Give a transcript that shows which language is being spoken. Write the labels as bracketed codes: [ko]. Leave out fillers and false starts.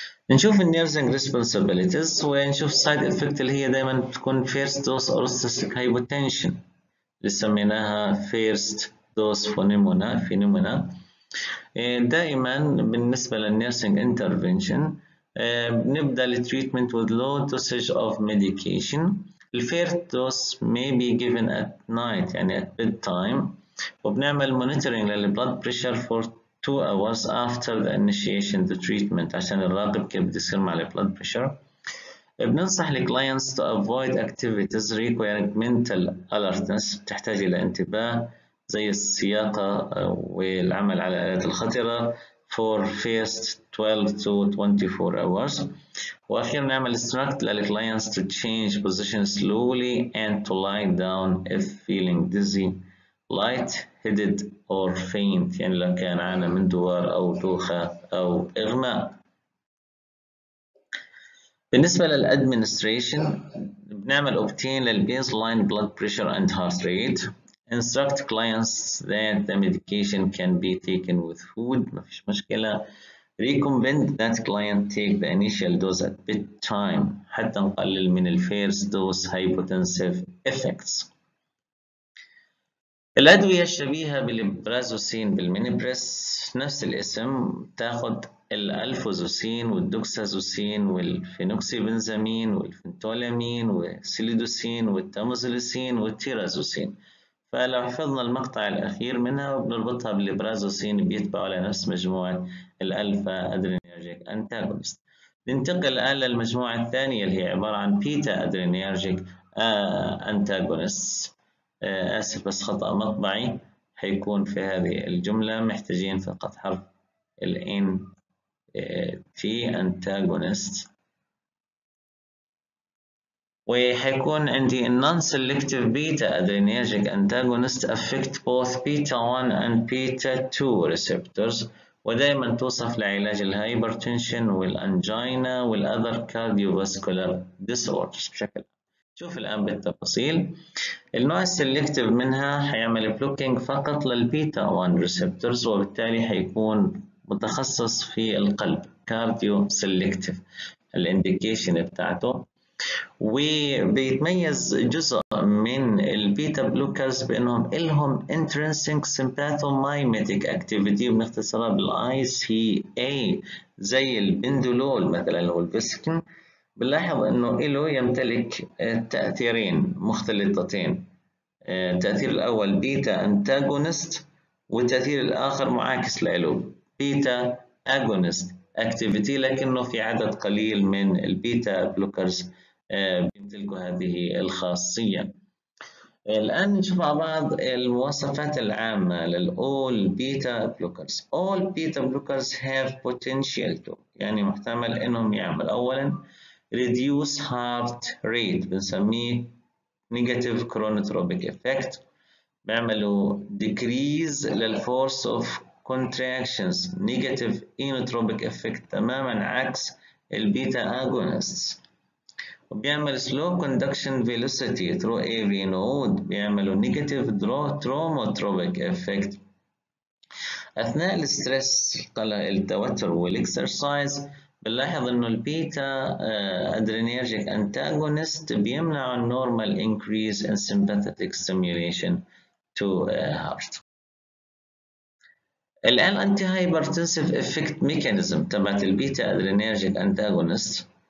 [en] نشوف النيرزنج ريسبونسابيلتيز ونشوف سايد افكت اللي هي دايما بتكون فيرست دوس اورستاتيك هايبوتنشن اللي سميناها فيرست دوس فينومينا. دائما بالنسبة للنيرزنج انترفينشن بنبدأ التريتمنت with low dosage of medication. الفيرست dose may be given at night يعني at bedtime وبنعمل monitoring للبلاد pressure for 2 hours after the initiation the treatment [ar] عشان نراقب كيف بده يصير مع البلاد بريشر. [en] بننصح الكلاينتس to avoid activities requiring mental alertness [ar] بتحتاج الى انتباه زي السياقة والعمل على الآلات الخطرة [en] for first 12 to 24 hours. وأخيرا نعمل instruct the clients to change position slowly and to lie down if feeling dizzy, light headed or faint, [ar] يعني لو كان عانى من دوار أو دوخة أو إغماء. [en] بالنسبة للأدمنستريشن بنعمل obtain the baseline blood pressure and heart rate. Instruct clients that the medication can be taken with food. [ar] ما فيش مشكلة. [en] Recommend that client take the initial dose at bedtime. [ar] حتى نقلل من ال [en] first dose hypotensive effects. [ar] الأدوية الشبيهة بالبرازوسين بالمينيبرس نفس الاسم. تاخد الألفوزوسين والدوكسازوسين والفينوكسيبنزامين والفنتولامين والسيليدوسين والتاموزوليسين والتيرازوسين. فلو حفظنا المقطع الأخير منها وبنربطها بالبرازوسين بيتبعوا على نفس مجموعة الألفا أدرينيرجيك أنتاغونست. ننتقل الآن للمجموعة الثانية اللي هي عبارة عن بيتا أدرينيرجيك أنتاغونست. آسف بس خطأ مطبعي هيكون في هذه الجملة، محتاجين فقط حرف الـ N تي أنتاغونست. وحيكون عندي [en] non-selective beta adrenergic antagonist affect both beta 1 and beta 2 receptors. ودائما توصف لعلاج الهايبرتنشن والانجينا والاذر كارديوفاسكولار ديسوردرز بشكل. [ar] شوف الان بالتفاصيل النوع السلكتيف منها هيعمل بلوكينج فقط للبيتا 1 ريسبتورز، وبالتالي هيكون متخصص في القلب كارديو سلكتيف الانديكيشن بتاعته. وبيتميز جزء من البيتا بلوكرز بانهم الهم انترنسنج سيمباثومايميتك اكتيفيتي، بنختصرها بالاي سي اي زي البندولول مثلا او الفيسكين. بنلاحظ انه له يمتلك تاثيرين مختلطتين، التاثير الاول بيتا انتاغونست والتاثير الاخر معاكس له بيتا اغونست اكتيفيتي، لكنه في عدد قليل من البيتا بلوكرز بيمتلكوا هذه الخاصية. الآن نشوف مع بعض المواصفات العامة للـ [en] all beta blockers. All beta blockers have potential to، [ar] يعني محتمل إنهم يعمل أولاً [en] reduce heart rate بنسميه negative chronotropic effect، بيعملوا decrease للـ force of contractions negative inotropic effect تماماً عكس الـ beta agonists. وبيعمل slow conduction velocity through AV node، بيعملوا negative thromotropic effect أثناء الستريس قلق التوتر والإكسرسايز. بنلاحظ إنه البيتا أدرينيرجيك أنتاغونست بيمنع النورمال increase in sympathetic stimulation to heart. الآن anti hypertensive effect mechanism تبعت البيتا أدرينيرجيك أنتاغونست.